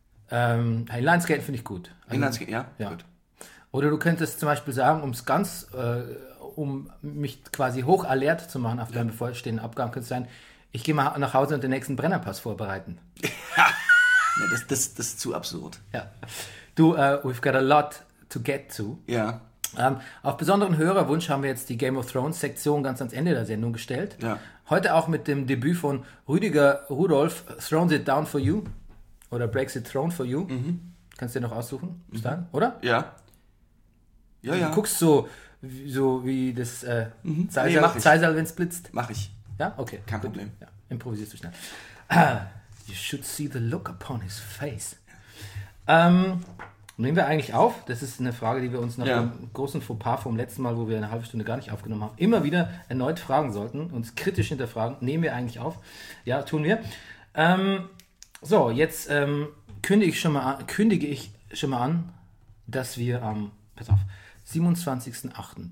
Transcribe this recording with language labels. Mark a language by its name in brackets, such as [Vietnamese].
[German] Inline-Skaten finde ich gut. Also, Inline-Skaten, ja? Ja. Gut. Oder du könntest zum Beispiel sagen, um es ganz... um mich quasi hoch alert zu machen auf deinen bevorstehenden Abgang, könnte sein, ich gehe mal nach Hause und den nächsten Brennerpass vorbereiten. Ja, das ist zu absurd. Ja. [English] Du, we've got a lot to get to. [German] Ja. Auf besonderen Hörerwunsch haben wir jetzt die Game of Thrones-Sektion ganz ans Ende der Sendung gestellt. Ja. Heute auch mit dem Debüt von Rüdiger Rudolf, Thrones It Down For You oder Breaks It Throne For You. Mhm. Kannst du dir noch aussuchen, bis dann, oder? Ja. Ja, ja. Du guckst so wie das Zeisel, wenn es blitzt. Mach ich. Ja, okay. Kein gut. Problem. Ja. Improvisierst du schnell. [English] You should see the look upon his face. [German] Nehmen wir eigentlich auf? Das ist eine Frage, die wir uns nach dem großen Fauxpas vom letzten Mal, wo wir eine halbe Stunde gar nicht aufgenommen haben, immer wieder erneut fragen sollten, uns kritisch hinterfragen. Nehmen wir eigentlich auf? Ja, tun wir. So, jetzt kündige ich schon mal an, dass wir am 27.08.